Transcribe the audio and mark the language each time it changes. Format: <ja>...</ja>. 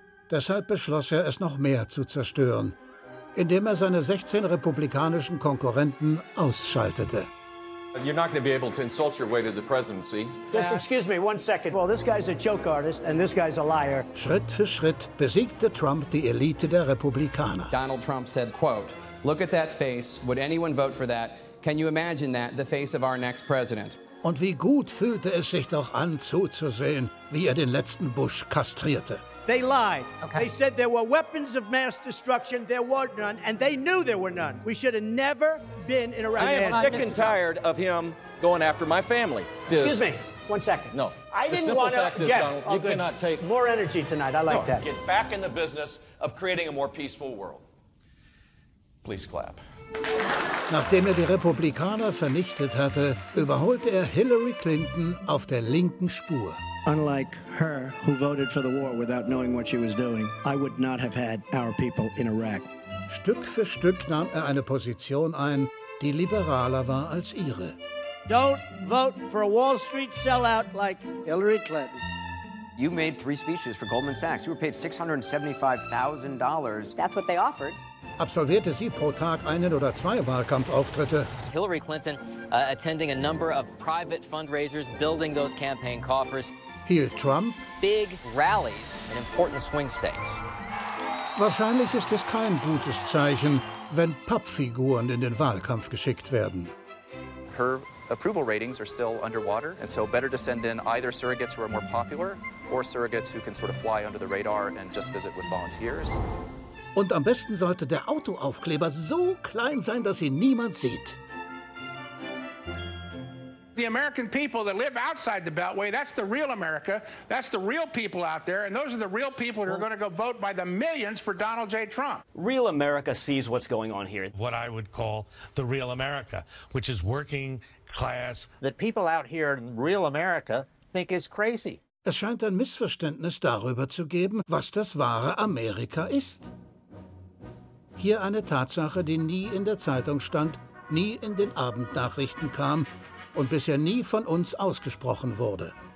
<de>Deshalb beschloss er, es noch mehr zu zerstören. Indem er seine 16 republikanischen Konkurrenten ausschaltete.</de> <en>You're not going to be able to insult your way to the presidency. Just excuse me, one second. Well, this guy's a joke artist and this guy's a liar.</en> <de>Schritt für Schritt besiegte Trump die Elite der Republikaner.</de> <en>Donald Trump said, quote, "Look at that face. Would anyone vote for that? Can you imagine that? The face of our next president."</en> <de>Und wie gut fühlte es sich doch an, zuzusehen, wie er den letzten Bush kastrierte.</de> <en>They lied. Okay. They said there were weapons of mass destruction. There were none, and they knew there were none. We should have never been in Iraq. I am sick and tired of him going after my family. Excuse me. One second. No. I didn't want to. The simple fact is, Donald, you cannot take more energy tonight. I like that. Get back in the business of creating a more peaceful world. Please clap.</en> <de>Nachdem er die Republikaner vernichtet hatte, überholte er Hillary Clinton auf der linken Spur.</de> <en>Unlike her, who voted for the war without knowing what she was doing, I would not have had our people in Iraq.</en> <de>Stück für Stück nahm er eine Position ein, die liberaler war als ihre.</de> <en>Don't vote for a Wall Street sellout like Hillary Clinton. You made 3 speeches for Goldman Sachs. You were paid $675,000. That's what they offered.</en> <de>absolvierte sie pro Tag einen oder zwei Wahlkampfauftritte.</de> <en>Hillary Clinton attending a number of private fundraisers, building those campaign coffers.</en> <de>Hielt Trump</de> <en>big rallies in important swing states.</en> <de>Wahrscheinlich ist es kein gutes Zeichen, wenn Pappfiguren in den Wahlkampf geschickt werden.</de> <en>Her approval ratings are still underwater, and so better to send in either surrogates who are more popular or surrogates who can sort of fly under the radar and just visit with volunteers.</en> <de>Und am besten sollte der Autoaufkleber so klein sein, dass ihn niemand sieht.</de> <en>The American people that live outside the Beltway, that's the real America. That's the real people out there, and those are the real people who are going to go vote by the millions for Donald J. Trump. Real America sees what's going on here. What I would call the real America, which is working class. That people out here in real America think is crazy.</en> <de>Es scheint ein Missverständnis darüber zu geben, was das wahre Amerika ist. Hier eine Tatsache, die nie in der Zeitung stand, nie in den Abendnachrichten kam und bisher nie von uns ausgesprochen wurde.</de>